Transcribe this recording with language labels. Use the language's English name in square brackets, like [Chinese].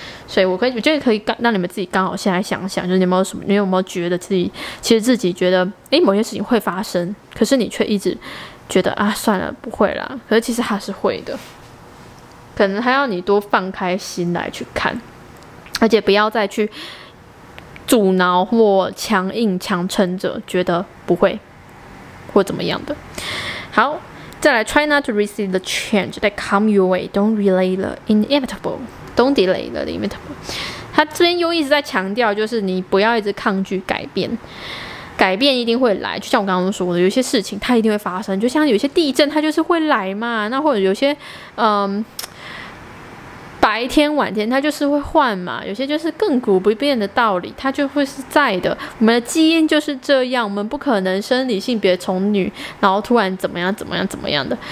[Chinese] 所以我觉得可以让你们自己刚好现在想想，就是你有没有觉得自己觉得某些事情会发生，可是你却一直觉得啊算了不会啦，可是其实它是会的，可能还要你多放开心来去看，而且不要再去阻挠或强硬强撑着觉得不会或怎么样的。好，再来 [English] try not to resist the change that come your way， don't delay the inevitable， don't delay the inevitable。 [Chinese] 他这边又一直在强调，就是你不要一直抗拒改变，改变一定会来，就像我刚刚说的，有些事情它一定会发生，就像有些地震它就是会来嘛，那或者有些白天晚天它就是会换嘛，有些就是亘古不变的道理，它就会是在的，我们的基因就是这样，我们不可能生理性别从女然后突然怎么样怎么样怎么样的。